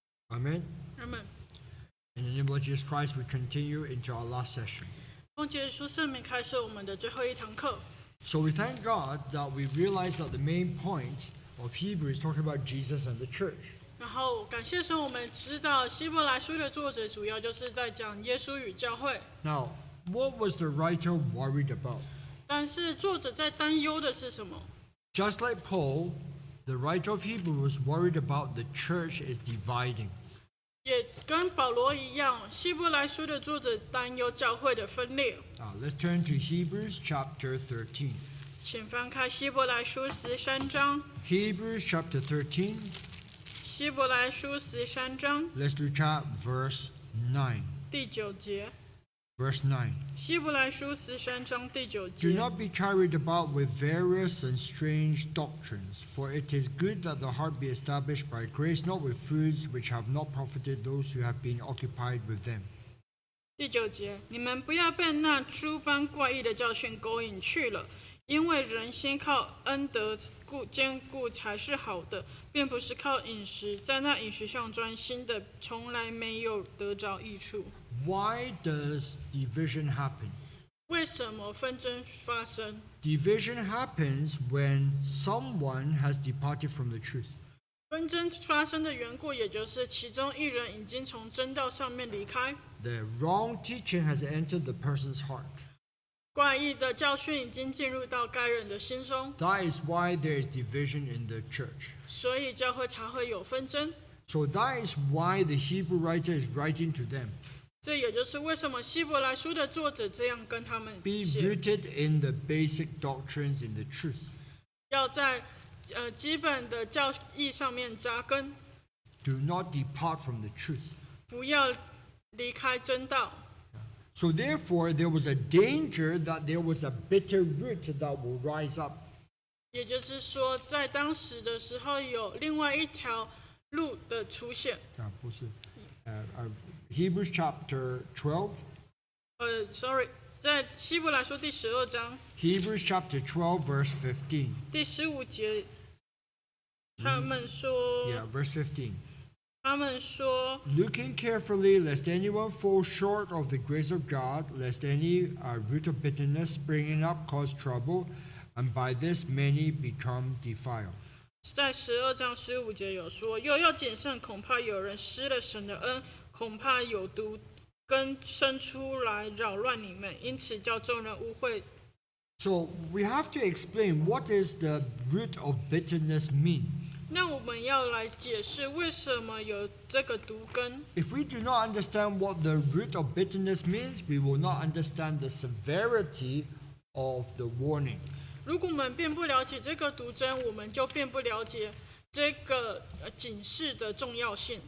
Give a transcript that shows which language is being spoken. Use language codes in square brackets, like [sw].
[en] Amen. Amen. In the name of Jesus Christ, we continue into our last session. [zh] 奉耶稣圣名开始我们的最后一堂课。 [en] So we thank God that we realize that the main point of Hebrews is talking about Jesus and the church. [zh] 然后感谢神，我们知道希伯来书的作者主要就是在讲耶稣与教会。 [en] Now, what was the writer worried about? [zh] 但是作者在担忧的是什么？ [en] Just like Paul, the writer of Hebrews was worried about the church is dividing. [zh] 也跟保罗一样，希伯来书的作者担忧教会的分裂。 [en] Let's turn to Hebrews chapter 13. [zh] 请翻开希伯来书十三章。 [en] Hebrews chapter 13. [zh] 希伯来书十三章。 [en] Let's look at verse 9. [zh] 第九节。 [en] Verse 9. [zh] 希伯来书十三章第九节。 [en] Do not be carried about with various and strange doctrines, for it is good that the heart be established by grace, not with foods which have not profited those who have been occupied with them. [zh] 第九节，你们不要被那诸般怪异的教训勾引去了，因为人心靠恩德坚固才是好的，并不是靠饮食，在那饮食上专心的，从来没有得着益处。 [en] Why does division happen? [zh] 为什么纷争发生？ [en] Division happens when someone has departed from the truth. [zh] 纷争发生的缘故，也就是其中一人已经从真道上面离开。 [en] The wrong teaching has entered the person's heart. [zh] 怪异的教训已经进入到该人的心中。 [en] That is why there is division in the church. [zh] 所以教会才会有纷争。 [en] So that is why the Hebrew writer is writing to them. [zh] 这也就是为什么希伯来书的作者这样跟他们写。 [en] Be rooted in the basic doctrines in the truth. [zh] 要在基本的教义上面扎根。 [en] Do not depart from the truth. [zh] 不要离开真道。 [en] So therefore, there was a danger that there was a bitter root that will rise up. [zh] 也就是说，在当时的时候，有另外一条路的出现。啊，不是， [en] Hebrews chapter 12. Sorry, [zh] 在希伯来书第十二章。 [en] Hebrews chapter 12, verse 15. [zh] 第十五节，他们说。 [en] Yeah, verse 15. [zh] 他们说。 [en] Looking carefully, lest anyone fall short of the grace of God, lest any root of bitterness springing up cause trouble, and by this many become defiled. [zh] 在十二章十五节有说，又要谨慎，恐怕有人失了神的恩，恐怕有毒根生出来扰乱你们，因此叫众人误会。 [en] So we have to explain what is the root of bitterness mean. [zh] 那我们要来解释为什么有这个毒根。 [en] If we do not understand what the root of bitterness means, we will not understand the severity of the warning. [zh] 如果我们并不了解这个毒针，我们就并不了解这个警示的重要性。